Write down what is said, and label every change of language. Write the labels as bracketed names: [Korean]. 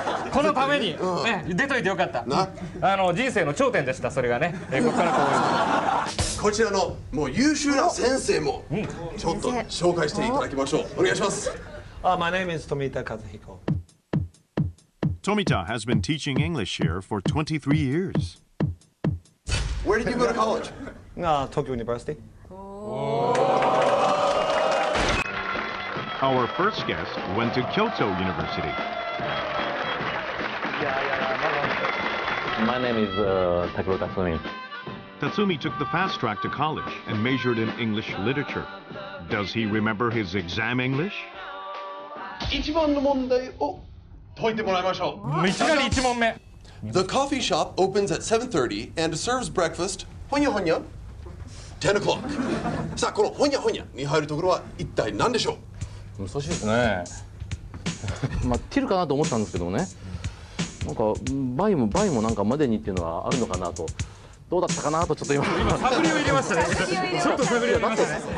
[Japanese] このために、ね、出といてよかったな。あの人生の頂点でした、それがね。ここからこう思います。こちらのもう優秀な先生もちょっと紹介していただきましょう。お願いします。 [English] My name is Tomita Kazuhiko. Tomita has been teaching English here for 23 years. Where did you go to college? Tokyo University. Our first guest went to Kyoto University My name is Takuro Tatsumi. Tatsumi took the fast track to college and majored in English literature. Does he remember his exam English? [Japanese] 一番の問題を解いてもらいましょう。いきなり一問目。 [English] The coffee shop opens at 7:30 and serves breakfast [Japanese] ほにゃほにゃ [English] 10 o'clock. [Japanese] さあ、このほにゃほにゃに入るところは一体何でしょう？難しいですね。まあ、ティルかなと思ったんですけどね。なんかバイもバイもなんかまでにっていうのはあるのかなと、どうだったかなとちょっと今探りを入れましたね。ちょっと探りを入れましたね。